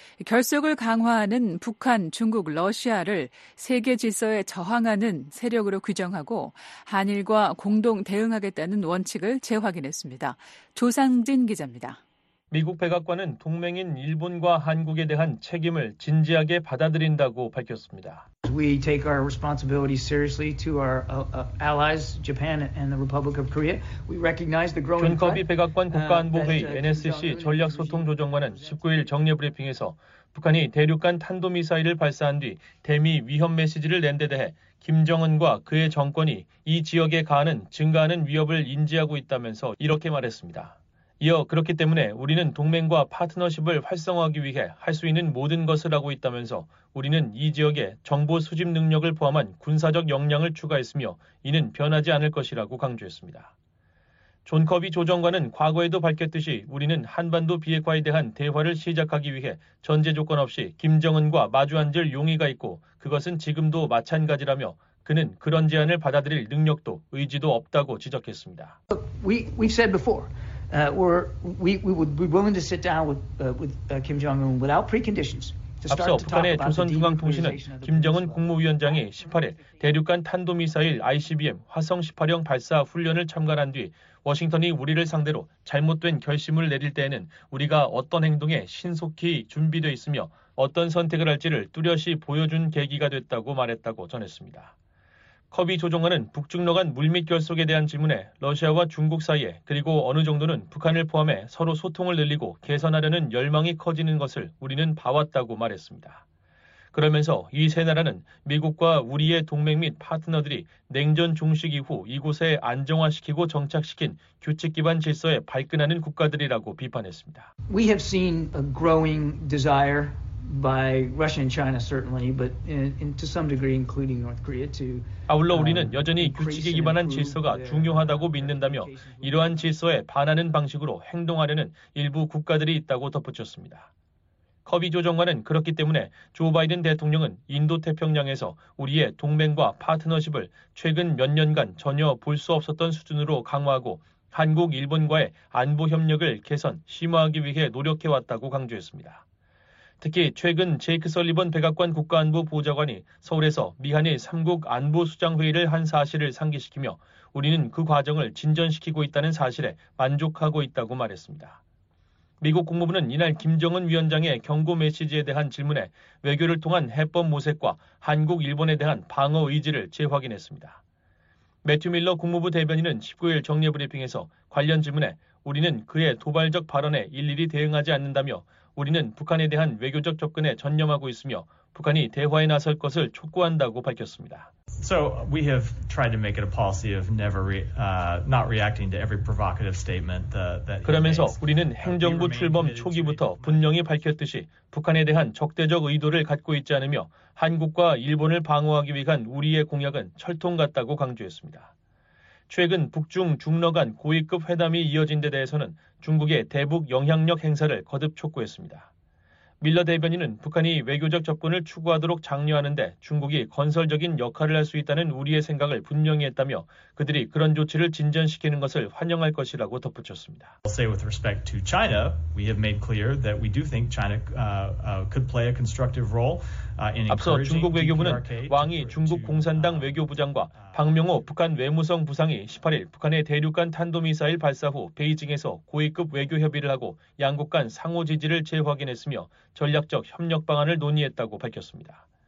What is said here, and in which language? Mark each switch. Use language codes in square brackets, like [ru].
[ko] 결속을 강화하는 북한, 중국, 러시아를 세계 질서에 저항하는 세력으로 규정하고 한일과 공동 대응하겠다는 원칙을 재확인했습니다. 조상진 기자입니다. 미국 백악관은 동맹인 일본과 한국에 대한 책임을 진지하게 받아들인다고 밝혔습니다. [en] We take our responsibility seriously to our allies, Japan and the Republic of Korea. We recognize the growing. [ko] 존 커비 백악관 국가안보회의 NSC 전략소통조정관은 19일 정례 브리핑에서 북한이 대륙간 탄도미사일을 발사한 뒤 대미 위협 메시지를 낸 데 대해 김정은과 그의 정권이 이 지역에 가하는 증가하는 위협을 인지하고 있다면서 이렇게 말했습니다. 이어 그렇기 때문에 우리는 동맹과 파트너십을 활성화하기 위해 할 수 있는 모든 것을 하고 있다면서 우리는 이 지역에 정보 수집 능력을 포함한 군사적 역량을 추가했으며 이는 변하지 않을 것이라고 강조했습니다. 존 커비 조정관은 과거에도 밝혔듯이 우리는 한반도 비핵화에 대한 대화를 시작하기 위해 전제 조건 없이 김정은과 마주 앉을 용의가 있고 그것은 지금도 마찬가지라며 그는 그런 제안을 받아들일 능력도 의지도 없다고 지적했습니다. [en] We've said before, we would be willing to sit down with Kim Jong-un without preconditions. [ko] 앞서 북한의 조선중앙통신은 김정은 국무위원장이 18일 대륙간 탄도미사일 ICBM 화성 18형 발사 훈련을 참관한 뒤 워싱턴이 우리를 상대로 잘못된 결심을 내릴 때에는 우리가 어떤 행동에 신속히 준비되어 있으며 어떤 선택을 할지를 뚜렷이 보여준 계기가 됐다고 말했다고 전했습니다. 커비 조정관은 북중러 간 물밑 결속에 대한 질문에 러시아와 중국 사이에 그리고 어느 정도는 북한을 포함해 서로 소통을 늘리고 개선하려는 열망이 커지는 것을 우리는 봐왔다고 말했습니다. 그러면서 이 세 나라는 미국과 우리의 동맹 및 파트너들이 냉전 종식 이후 이곳에 안정화시키고 정착시킨 규칙 기반 질서에 발끈하는 국가들이라고 비판했습니다. [en] We have seen a growing desire by Russia and China certainly, but in to some degree including North Korea to [ko] 아울러 우리는 여전히 규칙에 기반한 질서가 중요하다고 믿는다며 이러한 질서에 반하는 방식으로 행동하려는 일부 국가들이 있다고 덧붙였습니다. 커비 조정관은 그렇기 때문에 조 바이든 대통령은 인도태평양에서 우리의 동맹과 파트너십을 최근 몇 년간 전혀 볼 수 없었던 수준으로 강화하고 한국, 일본과의 안보 협력을 개선, 심화하기 위해 노력해왔다고 강조했습니다. 특히 최근 제이크 설리번 백악관 국가안보 보좌관이 서울에서 미한일 3국 안보수장회의를 한 사실을 상기시키며 우리는 그 과정을 진전시키고 있다는 사실에 만족하고 있다고 말했습니다. 미국 국무부는 이날 김정은 위원장의 경고 메시지에 대한 질문에 외교를 통한 해법 모색과 한국, 일본에 대한 방어 의지를 재확인했습니다. 매튜 밀러 국무부 대변인은 19일 정례 브리핑에서 관련 질문에 우리는 그의 도발적 발언에 일일이 대응하지 않는다며 우리는 북한에 대한 외교적 접근에 전념하고 있으며 북한이 대화에 나설 것을 촉구한다고 밝혔습니다. [en] So we have tried to make it a policy of never not reacting to every provocative statement that [ko] 그러면서 우리는 행정부 출범 초기부터 분명히 밝혔듯이 북한에 대한 적대적 의도를 갖고 있지 않으며 한국과 일본을 방어하기 위한 우리의 공약은 철통 같다고 강조했습니다. 최근 북중 중러 간 고위급 회담이 이어진 데 대해서는 중국의 대북 영향력 행사를 거듭 촉구했습니다. 밀러 대변인은 북한이 외교적 접근을 추구하도록 장려하는데 중국이 건설적인 역할을 할 수 있다는 우리의 생각을 분명히 했다며 그들이 그런 조치를 진전시키는 것을 환영할 것이라고 덧붙였습니다. [en] I'll say with respect to China, we have made clear that we do think China could play a constructive role in encouraging [ko] 앞서 중국 외교부는 왕이 중국 공산당 외교부장과 박명호 북한 외무성 부상이 18일 북한의 대륙간 탄도미사일 발사 후 베이징에서 고위급 외교 협의를 하고 양국 간 상호 지지를 재확인했으며 전략적 협력 방안을 논의했다고 밝혔습니다.